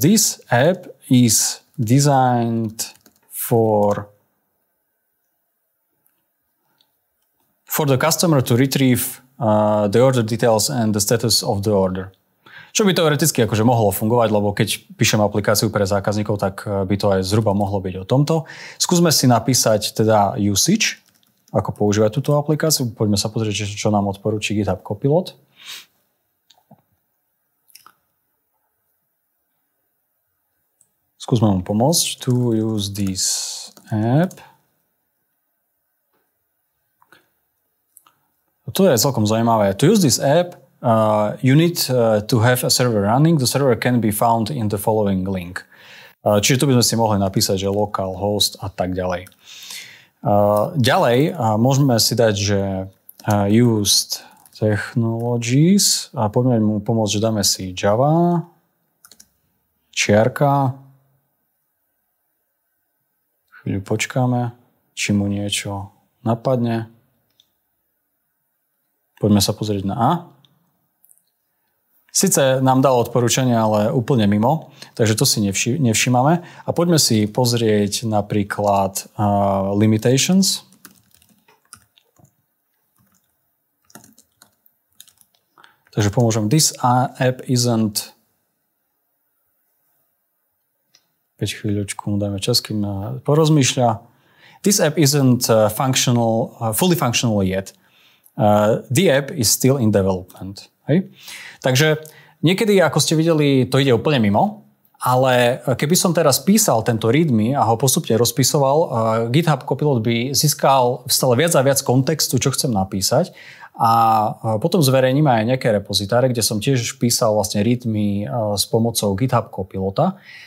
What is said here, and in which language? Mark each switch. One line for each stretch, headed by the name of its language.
English: This app is designed for the customer to retrieve the order details and the status of the order.
Slovak: Čo by teoreticky akože mohlo fungovať, lebo keď píšem aplikáciu pre zákazníkov, tak by to aj zhruba mohlo byť o tomto. Skúsme si napísať teda usage, ako používať túto aplikáciu. Poďme sa pozrieť, čo nám odporúči GitHub Copilot. Skúsme mu pomôcť.
English: To use this app.
Slovak: To je celkom zaujímavé.
English: To use this app, you need to have a server running. The server can be found in the following link.
Slovak: Čiže tu by sme si mohli napísať, že local, host a tak ďalej. Ďalej môžeme si dať, že
English: used technologies.
Slovak: Poďme mu pomôcť, že dáme si Java, čiarka. Chvíľu počkáme, či mu niečo napadne. Poďme sa pozrieť na A. Sice nám dal odporúčanie, ale úplne mimo, takže to si nevšímame. A poďme si pozrieť napríklad limitations. Takže pomôžem.
English: This app isn't...
Slovak: Keď chvíľočku mu dáme čas, kým porozmýšľa.
English: This app isn't fully functional yet. The app is still in development.
Slovak: Hej. Takže niekedy, ako ste videli, to ide úplne mimo, ale keby som teraz písal tento readme a ho postupne rozpisoval, GitHub Copilot by získal stále viac a viac kontextu, čo chcem napísať. A potom zverejním aj nejaké repozitáre, kde som tiež písal vlastne readme s pomocou GitHub Copilota.